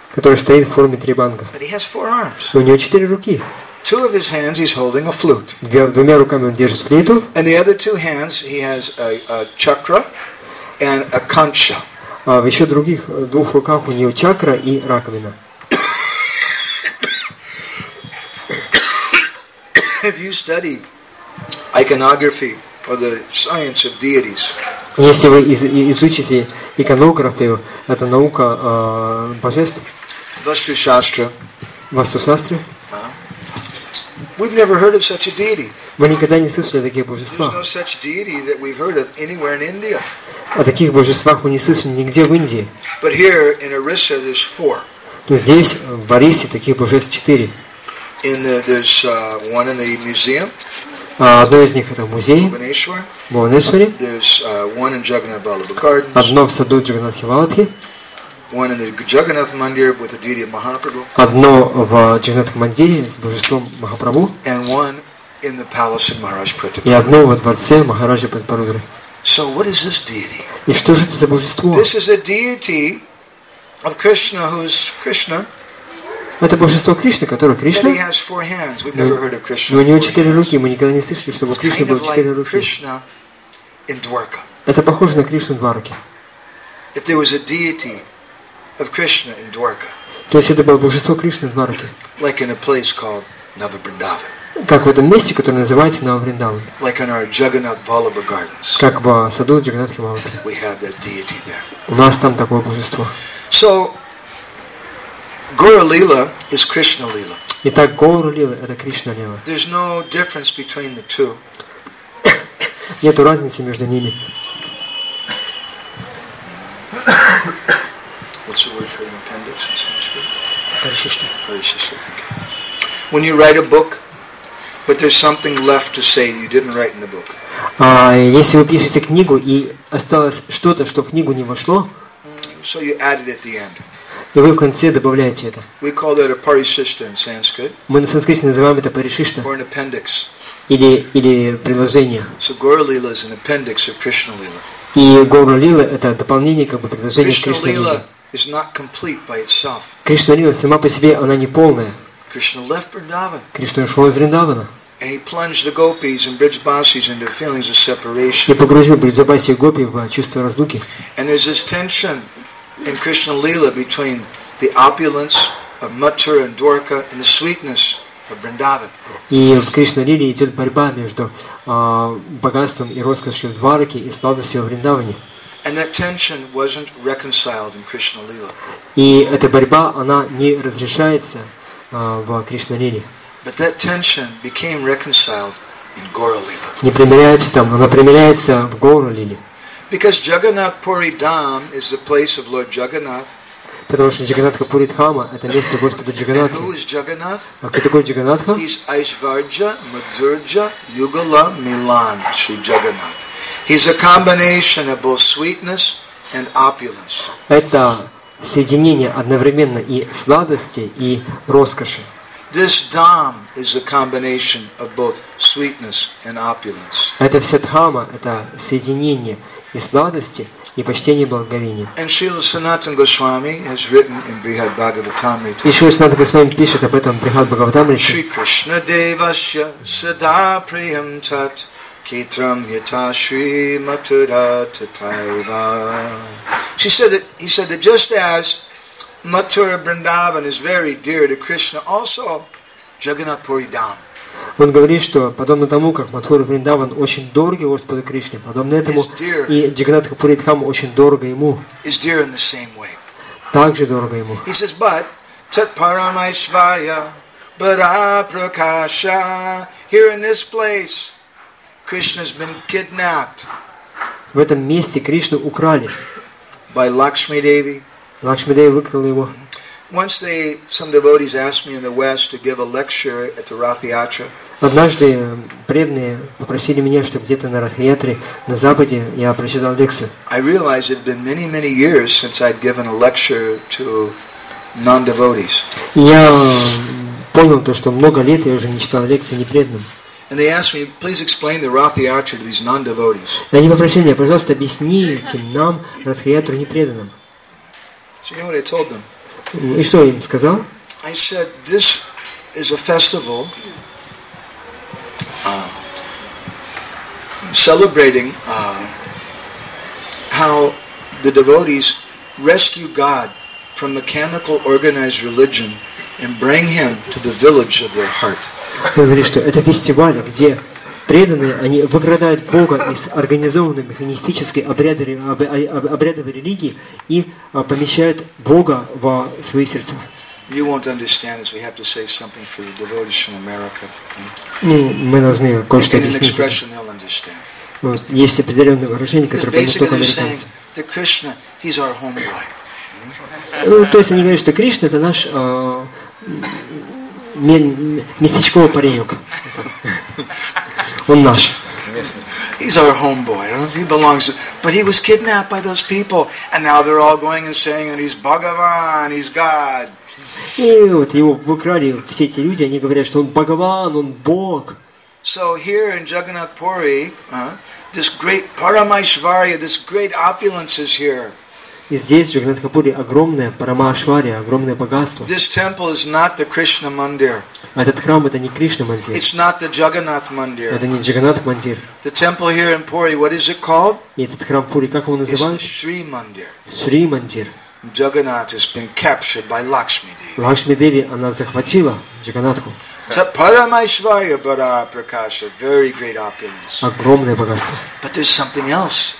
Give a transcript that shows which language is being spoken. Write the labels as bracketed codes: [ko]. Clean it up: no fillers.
[ru] Который стоит в форме трибанга. [en] But he has four arms. [ru] У него четыре руки. [en] Two of his hands he's holding a flute. [ru] Двумя руками он держит флейту. [en] And the other two hands he has a chakra and a kancha. [ru] А в еще других двух руках у него чакра и раковина. [en] Have you studied iconography or the science of deities? [ru] Если вы изучите иконографию, это наука божеств. [en] Vastu-shastra. We've never heard of such a deity. [ru] Мы никогда не слышали таких божества. [en] There's no such deity that we've heard of anywhere in India. [ru] О таких божествах мы не слышали нигде в Индии. [en] But here in Orissa there's four. [ru] Но здесь в Орисе таких божеств четыре. [en] There's one in the museum. [ru] Одно из них это в музее. [en] Bhubaneswar. There's one in Jagannath Vallabha Gardens. [ru] Одно в саду Джаганатхи Валлабхи. [en] One in the Jagannath Mandir with the deity of Mahaprabhu. [ru] Одно в Джаганатхи Мандире с божеством Махапрабху. [en] And one in the palace of Maharaj Pratapa. [ru] И одно во дворце Махараджи Пратапарудры. [en] So what is this deity? [ru] И что же это за божество? [en] This is a deity of Krishna, who's Krishna. [ru] Это божество Кришны, которое Кришна. [en] And he has four hands. We've never heard of Krishna. [ru] Но у него четыре руки, мы никогда не слышали, чтобы у Кришны было четыре руки. [en] Krishna in Dwarka. [ru] Это похоже на Кришну Дварки. [en] If there was a deity of Krishna in Dwarka. [ru] То есть это было божество Кришны в Дварке. [en] Like in a place called Navabrindavan. [ru] Как в этом месте, которое называется Навриндаван. [en] Like in our Jagannath Vallabha Gardens. [ru] Как в саду Джагнатхи Валлабхи. [en] We have that deity there. [ru] У нас там такое божество. [en] So, Guru Lila is Krishna Lila. [ru] Итак, Гуру Лила это Кришна Лила. [en] There's no difference between the two. [ru] Нету разницы между ними. [en] What's the word for an appendix in Sanskrit? Parishishta. Parishishta, thank you. When you write a book, but there's something left to say you didn't write in the book. [ru] Если вы пишете книгу и осталось что-то, что в книгу не вошло, [en] so you add it at the end. [ru] И вы в конце добавляете это. [en] We call that a parishishta in Sanskrit. [ru] Мы на санскрите называем это парешишта. [en] Or an appendix. [ru] Или приложение. [en] So Guru Lila is an appendix of Krishna Lila. [ru] И Гуру Лила это дополнение, как бы приложение к Кришна Лиле. [en] Is not complete by itself. [ru] Кришна Лила сама по себе она не полная. [en] Krishna left Vrindavan. [ru] Кришна ушел из Вриндавана. [en] And he plunged the gopis and Brijbasis into feelings of separation. [ru] И погрузил Бриджабаси и гопи в чувство раздуки. [en] And there's this tension in Krishna Lila between the opulence of Mathura and Dwarka and the sweetness of Vrindavan. [ru] И в Кришна Лиле идет борьба между богатством и роскошью Двараки и сладостью Вриндавани. [en] And that tension wasn't reconciled in Krishna Lila. [ru] И эта борьба она не разрешается в Кришна Лиле. [en] But that tension became reconciled in Gaura Lila. [ru] Не примиряется там, она примиряется в Гаура Лиле. [en] Because Jagannath Puri Dham is the place of Lord Jagannath. [ru] Потому что Джаганатха Пури Дхама это место Господа Джаганатха. [en] Who is Jagannath? [ru] А кто такой Джаганатха? [sa] He's Aishvarja, Madhurja, Yugala, Milan, Sri Jagannath. [en] He's a combination of both sweetness and opulence. [ru] Это соединение одновременно и сладости и роскоши. [en] This dham is a combination of both sweetness and opulence. [ru] Это вся дхама, это соединение и сладости и почтения благоговения. [en] And Srila Sanatana Goswami has written in Brihad Bhagavatamrita. [ru] И Srila Sanatana Goswami пишет об этом в Брихад Бхагаватамрите. [sa] Shri Krishna Devasya Sadapriyam Tat. Kitram yata shri matura tataiva. [en] He said that just as Mathura Vrindavan is very dear to Krishna, also Jagannath Puri Dham. [ru] Он говорит, что подобно тому, как Мадхура Вриндаван очень дорог Господу Кришне, подобно этому и Джагнатха Пури Дхама очень дорого ему. [en] Is dear in the same way. [ru] Также дорого ему. [en] He says, but [sa] tat paramaishvaya bara prakasha. [en] Here in this place, Krishna's been kidnapped. [ru] В этом месте Кришну украли. [en] By Lakshmi Devi. [ru] Lakshmi Devi выкрала его. [en] Once some devotees asked me in the West to give a lecture at the Ratha Yatra. [ru] Однажды преданные попросили меня, чтобы где-то на Ратха Ятре на Западе я прочитал лекцию. [en] I realized it had been many, many years since I'd given a lecture to non-devotees. [ru] Я понял то, что много лет я уже не читал лекции непреданным. [en] And they asked me, please explain the Ratha Yatra to these non-devotees. [ru] Они попросили меня, пожалуйста, объясните нам Ратха Ятру непреданным. [en] So you know what I told them? [ru] И что я им сказал? [en] I said, this is a festival celebrating how the devotees rescue God from mechanical organized religion and bring him to the village of their heart. [ru] Я говорю, что это фестиваль, где преданные, они выкрадают Бога из организованной механистической обрядовой религии и помещают Бога в свои сердца. [en] You won't understand this. We have to say something for the devotees from America. [ru] Ну, мы должны кое-что объяснить. Вот, есть определенное выражение, которое понимают только американцы. [en] The Krishna, he's our homeboy. [ru] Ну, то есть они говорят, что Кришна это наш местечковый паренек. Он наш. [en] He's our homeboy. He belongs. But he was kidnapped by those people, and now they're all going and saying that he's Bhagavan, he's God. [ru] И вот его выкрали все эти люди. Они говорят, что он Бхагаван, он Бог. [en] So here in Jagannath Puri, this great Paramaishvarya, this great opulence is here. [ru] И здесь в Jagannath Puri огромное Парамашварья, огромное богатство. [en] This temple is not the Krishna Mandir. [ru] Этот храм это не Кришна Мандир. [en] It's not the Jagannath Mandir. [ru] Это не Джаганнатх Мандир. [en] The temple here in Puri, what is it called? [ru] И этот храм в Пури, как его называют? [en] It's the Shri Mandir. Shri Mandir. Jagannath has been captured by Lakshmi Devi. [ru] Lакшми Деви она захватила Джаганатху. Парамайшварья Бхараапракаша, [en] very great opulence. [ru] Огромное богатство. [en] But there's something else.